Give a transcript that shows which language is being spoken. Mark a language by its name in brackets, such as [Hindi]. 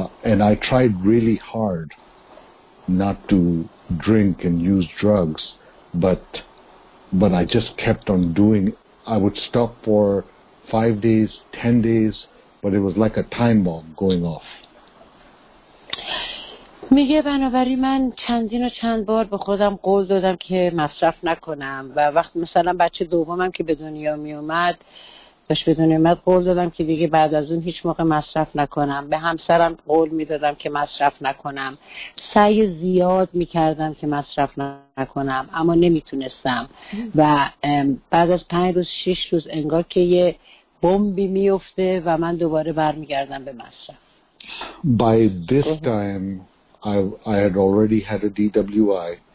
[English] And I tried really hard not to drink and use drugs, but I just kept on doing it. I would stop for 5 days, 10 days, but it was like a time bomb going off. [Persian] میگه بنابراین من چندین و چند بار به خودم قول دادم که مصرف نکنم، و وقت مثلا بچه دومم که به دنیا می اومد قول دادم که دیگه بعد از اون هیچ موقع مصرف نکنم، به همسرم قول میدادم که مصرف نکنم، سعی زیاد میکردم که مصرف نکنم اما نمیتونستم، و بعد از 5 روز 6 روز انگار که یه بمبی میفته و من دوباره برمیگردم به مصرف. [English] By this time I had already had a DWI.